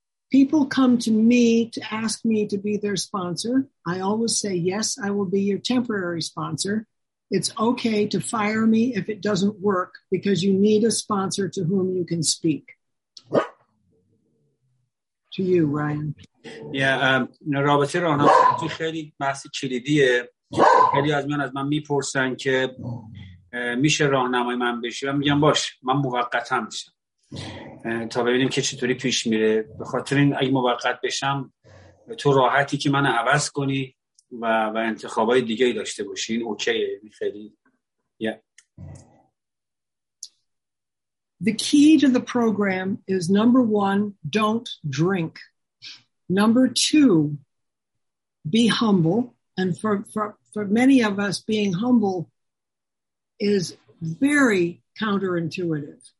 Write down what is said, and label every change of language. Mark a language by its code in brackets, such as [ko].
[en] People come to me to ask me to be their sponsor. I always say yes, I will be your temporary sponsor. It's okay to fire me if it doesn't work because you need a sponsor to whom you can speak. To you, Ryan. [fa] رابطه راهنمایی خیلی بحث کلیدیه. خیلی از من میپرسن که میشه راهنمای من بشی، من میگم باش، من موقتا میشم تا ببینیم که چطوری پیش میره، به خاطر این اگه موقت بشم تو راحتی که من عوض کنی و انتخابای دیگه ای داشته باشی، این اوکیه. خیلی [en] The key to the program is, number one, don't drink. Number two, be humble. And for many of us, being humble is very counterintuitive.